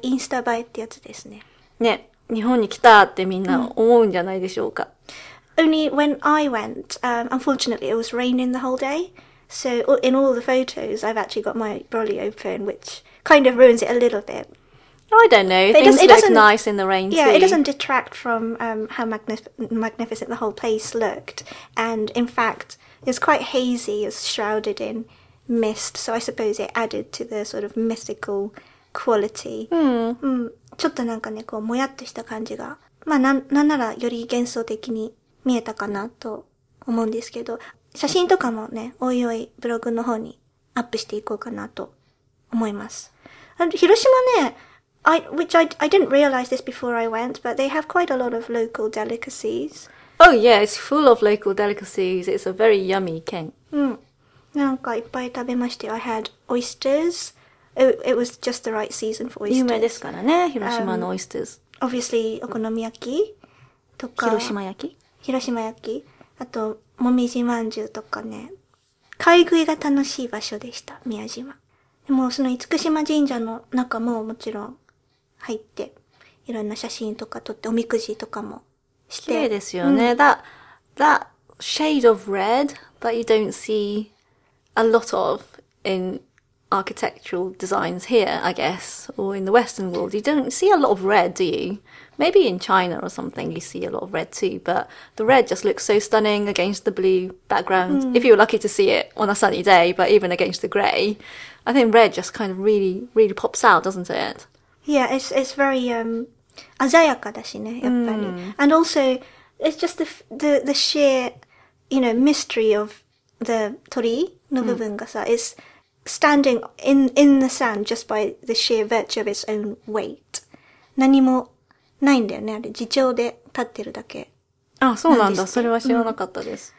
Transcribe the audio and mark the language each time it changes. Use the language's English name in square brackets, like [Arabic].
[Japanese] インスタ映えってやつですね。ね、日本に来たってみんな思うんじゃないでしょうか。 [English] Only when I went,、unfortunately, it was raining the whole day. So in all the photos, I've actually got my brolly open, which kind of ruins it a little bit. I don't know. Things look nice in the rain, too. Yeah, it doesn't detract from、how magnificent the whole place looked. And in fact, it's quite hazy, it's shrouded in... Mist, so I suppose it added to the sort of mythical quality. Mm. [Japanese] ちょっとなんかね、こう、もやっとした感じがまあなんならより幻想的に見えたかなと思うんですけど、写真とかもね、おいおいブログの方にアップしていこうかなと思います。広島ね、 [English] I didn't realize this before I went, but they have quite a lot of local delicacies. Oh yeah, it's full of local delicacies. It's a very yummy 県。 [Japanese] うん。なんかいっぱい食べまして、 [English] I had oysters. It was just the right season for oysters. [Japanese] 有名ですからね、広島の oysters。 Obviously, お好み焼きとか。広島焼き？広島焼き。あと、もみじまんじゅうとかね。買い食いが楽しい場所でした、宮島。でも、その厳島神社の中ももちろん入って、いろんな写真とか撮って、おみくじとかもして。綺麗ですよね。うん、 [English] that shade of red that you don't see a lot of in architectural designs here, I guess, or in the Western world. You don't see a lot of red, do you? Maybe in China or something you see a lot of red too, but the red just looks so stunning against the blue background.、Mm. If you're lucky to see it on a sunny day, but even against the grey, I think red just kind of really, really pops out, doesn't it? Yeah, it's very, [Japanese] 鮮やかだしね、やっぱり。 [English] And also, it's just the sheer, you know, mystery of the [Japanese] 鳥の部分がさ、 [English] it'sstanding in the sand just by the sheer virtue of its own weight. [Japanese] 何もないんだよね。あれ、自重で立ってるだけ。あ、そうなんだ。それは知らなかったです。